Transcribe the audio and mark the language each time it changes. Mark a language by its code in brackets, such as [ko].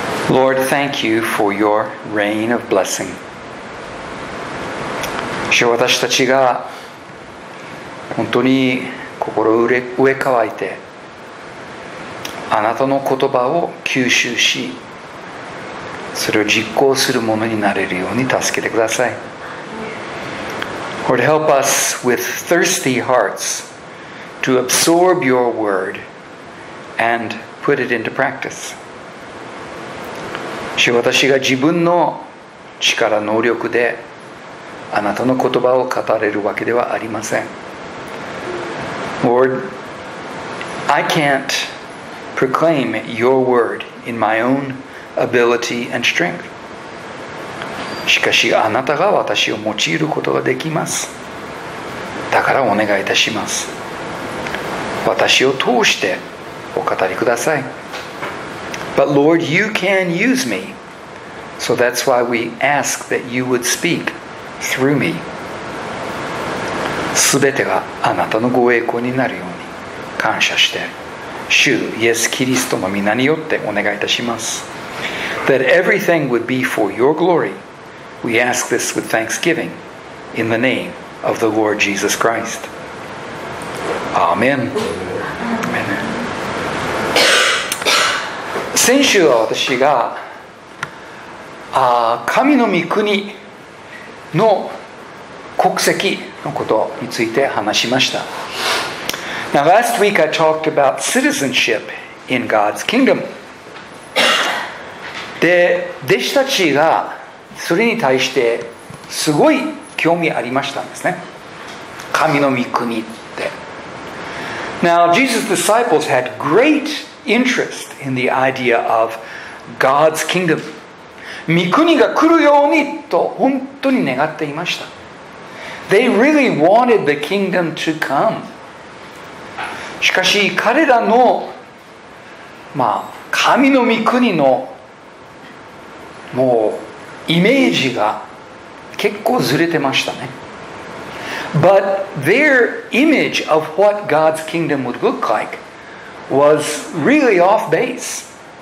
[en] Lord, thank you for your rain of blessing. [ja] 主よ、私たちが本当に心植え乾いてあなたの言葉を吸収し、それを実行するものになれるように助けてください。 [en] Lord, help us with thirsty hearts to absorb your word and put it into practice. [ja] 主よ、私が自分の力能力であなたの言葉を語れるわけではありません。 [en] Lord, I can't proclaim your word in my own ability and strength. [ja] しかしあなたが私を用いることができます。だからお願いいたします。私を通してお語りください。 [en] But Lord, you can use me. So that's why we ask that you would speak. Through me. [ja] 全てがあなたのご栄光になるように感謝して、主イエス・キリストの皆によってお願いいたします。 [en] That everything would be for your glory, we ask this with thanksgiving in the name of the Lord Jesus Christ. Amen. Amen. [ja] 先週は私が神の御国の国籍のことについて話しました。 [en] Now last week I talked about citizenship in God's kingdom. [ja] で、弟子たちがそれに対してすごい興味ありましたんですね。神の御国って。 [en] Now Jesus' disciples had great interest in the idea of God's kingdom. [ja] 御国が来るようにと本当に願っていました。 [en] They really wanted the kingdom to come. [ja] しかし彼らの、神の御国のもうイメージが結構ずれてましたね。 [en] But their image of what God's kingdom would look like was really off base.